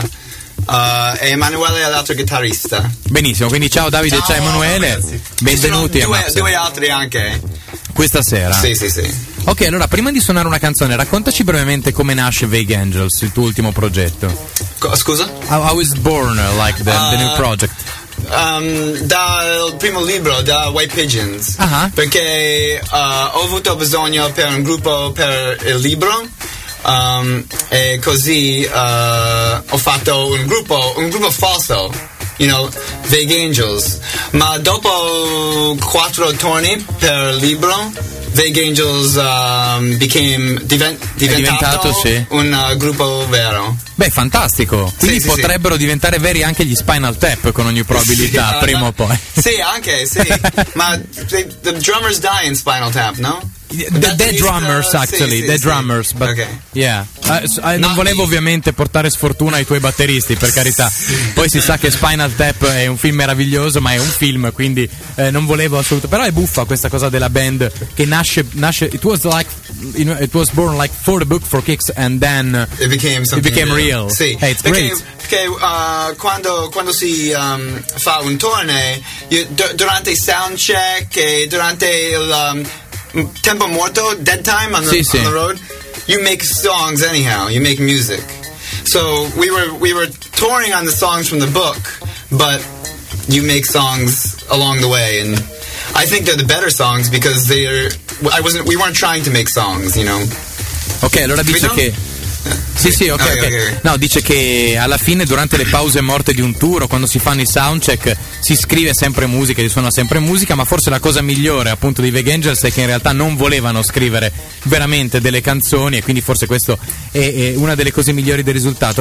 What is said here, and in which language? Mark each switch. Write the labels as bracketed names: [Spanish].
[Italian] E Emanuele è l'altro chitarrista. Benissimo, quindi ciao Davide, ciao Emanuele. Benvenuti. Due altri anche. Questa sera? Sì. Ok, allora, prima di suonare una canzone, raccontaci brevemente come nasce Vague Angels, il tuo ultimo progetto. Scusa? [English] How is born, like, the new project? [Italian] Dal primo libro, da White Pigeons. Ah. Uh-huh. Perché ho avuto bisogno per un gruppo per il libro, e così ho fatto un gruppo falso, [English] you know, [Italian] Vague Angels. Ma dopo 4 turni per il libro, Vague Angels è diventato un gruppo vero. Beh, fantastico. Quindi potrebbero diventare veri anche gli Spinal Tap, con ogni probabilità, prima o poi. Sì. Ma [English] the drummers die in Spinal Tap, no? The dead drummers, but okay. Yeah. [Italian] Non volevo ovviamente portare sfortuna ai tuoi batteristi, per carità. Poi si sa che Spinal Tap è un film meraviglioso, ma è un film, quindi non volevo assolutamente. Però è buffa questa cosa della band che nasce. [English] It was like, you know, it was born like for the book, for kicks, and then it became real. Sì. Hey, it's great. [Italian] Perché quando si fa un torneo, durante il sound check e durante il tempo morto, [English] dead time on the road, you make songs anyhow, you make music. So we were touring on the songs from the book, but you make songs along the way, and I think they're the better songs because we weren't trying to make songs, you know. [Italian] Okay, allora dice che Okay. No, dice che alla fine, durante le pause morte di un tour, quando si fanno i soundcheck, si scrive sempre musica, si suona sempre musica, ma forse la cosa migliore, appunto, di Vague Angels è che in realtà non volevano scrivere veramente delle canzoni, e quindi forse questo è una delle cose migliori del risultato.